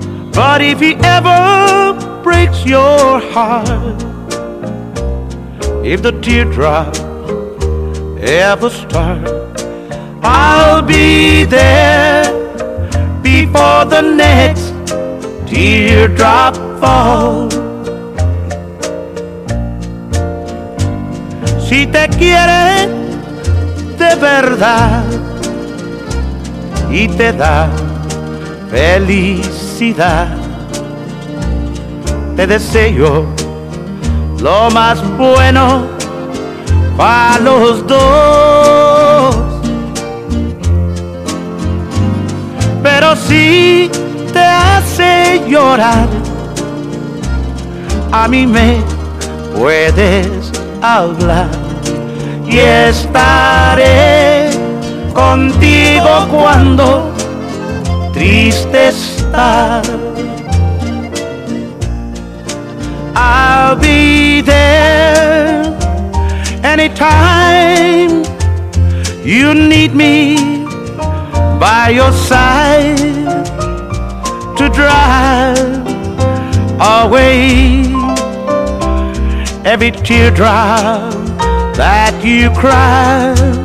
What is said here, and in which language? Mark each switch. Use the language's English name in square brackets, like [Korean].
[English] But if he ever breaks your heart, if the teardrop ever starts, I'll be there before the next teardrop falls. [Spanish] Si te quieres de verdad y te da felicidad, te deseo lo más bueno para los dos. Pero si te hace llorar, a mí me puedes hablar y estaré contigo cuando triste estás. [English] I'll be there anytime you need me by your side to drive away every teardrop that you cry.